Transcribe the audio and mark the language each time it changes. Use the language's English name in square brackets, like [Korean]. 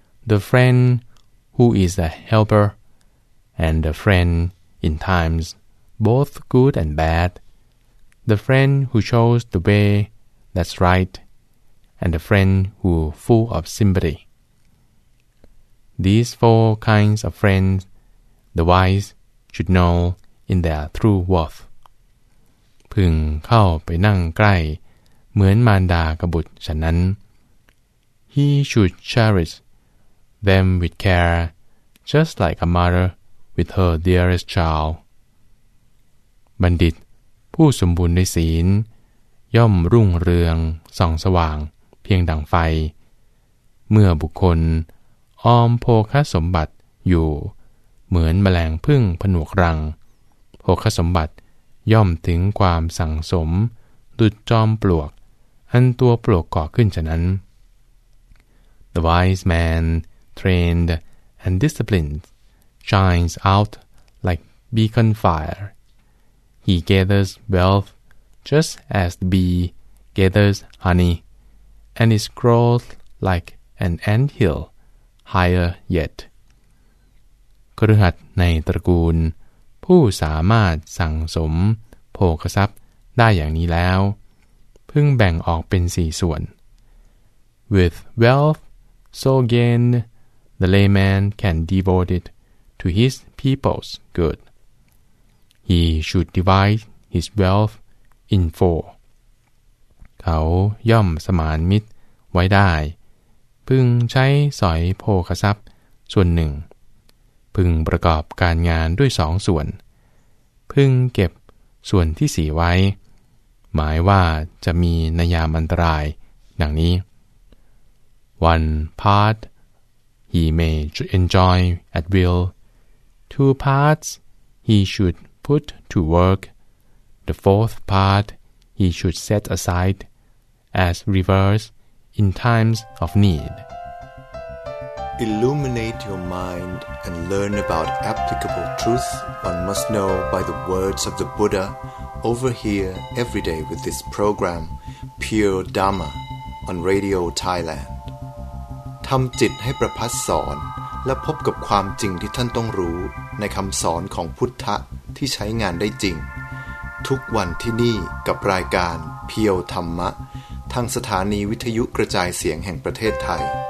[English] The friend who is a helper and a friend in times both good and bad The friend who shows the way that's right and a friend who full of sympathyThese four kinds of friends, the wise should know in their true worth. [Thai] พึงเข้าไปนั่งใกล้เหมือนมารดากับบุตรฉะนั้น [English] He should cherish them with care, just like a mother with her dearest child. [Thai] บัณฑิตผู้สมบูรณ์ด้วยศีลย่อมรุ่งเรืองส่องสว่างเพียงดังไฟเมื่อบุคคลออมโภคสมบัติอยู่เหมือนแมลงผึ้งผนวกรังโภคสมบัติย่อมถึงความสั่งสมดุจจอมปลวกอันตัวปลวกก่อขึ้นฉะนั้น [English] The wise man trained and disciplined shines out like beacon fire. He gathers wealth just as the bee gathers honey, and is grows like an ant hillHigher yet. [Thai] คฤหัสถ์ในตระกูลผู้สามารถสั่งสมโภคทรัพย์ได้อย่างนี้แล้วพึ่งแบ่งออกเป็นสี่ส่วน [English] With wealth so gained, the layman can devote it to his people's good. He should divide his wealth in four. [Thai] เขาย่อมสมานมิตรไว้ได้พึงใช้สอยโภคทรัพย์ส่วนหนึ่งพึงประกอบการงานด้วยสองส่วนพึงเก็บส่วนที่สี่ไว้หมายว่าจะมีในยามอันตรายดังนี้ [English] One part he may enjoy at will Two parts he should put to work The fourth part he should set aside as reverseIn times of need. Illuminate your mind and learn about applicable truth one must know by the words of the Buddha over here every day with this program Pure Dharma on Radio Thailand. [Thai] ทำจิตให้ประพัสสอนและพบกับความจริงที่ท่านต้องรู้ในคำสอนของพุทธะที่ใช้งานได้จริงทุกวันที่นี่กับรายการ Pure Dharmaทางสถานีวิทยุกระจายเสียงแห่งประเทศไทย